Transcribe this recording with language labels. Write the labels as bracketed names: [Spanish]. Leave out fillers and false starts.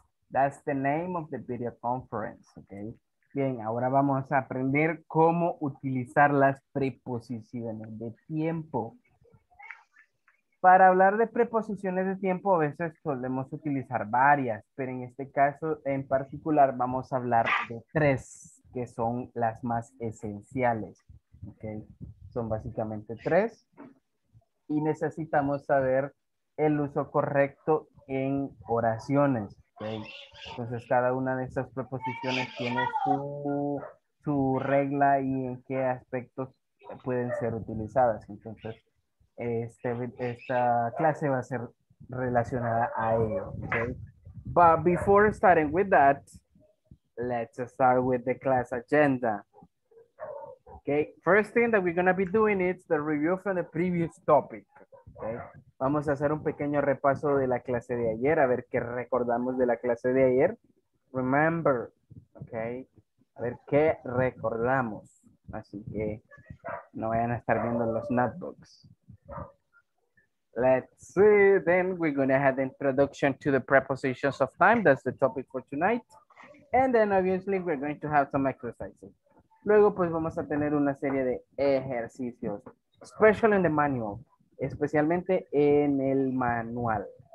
[English] That's the name of the video conference, okay? [Spanish] Bien, ahora vamos a aprender cómo utilizar las preposiciones de tiempo. Para hablar de preposiciones de tiempo, a veces solemos utilizar varias, pero en este caso en particular vamos a hablar de tres, que son las más esenciales, okay? Son básicamente tres. Y necesitamos saber el uso correcto en oraciones, okay? Entonces, cada una de esas preposiciones tiene su regla y en qué aspectos pueden ser utilizadas. Entonces, esta clase va a ser relacionada a ello, okay? [English] But before starting with that, let's start with the class agenda. Okay, first thing that we're going to be doing is the review from the previous topic. Okay. [Spanish] Vamos a hacer un pequeño repaso de la clase de ayer, a ver qué recordamos de la clase de ayer. Remember, okay, a ver qué recordamos. Así que no vayan a estar viendo los notebooks. [English] Let's see, then we're going to have the introduction to the prepositions of time. That's the topic for tonight. And then obviously we're going to have some exercises. [Spanish] Luego, pues, vamos a tener una serie de ejercicios, [English] especially in the manual, [Spanish] especialmente en el manual.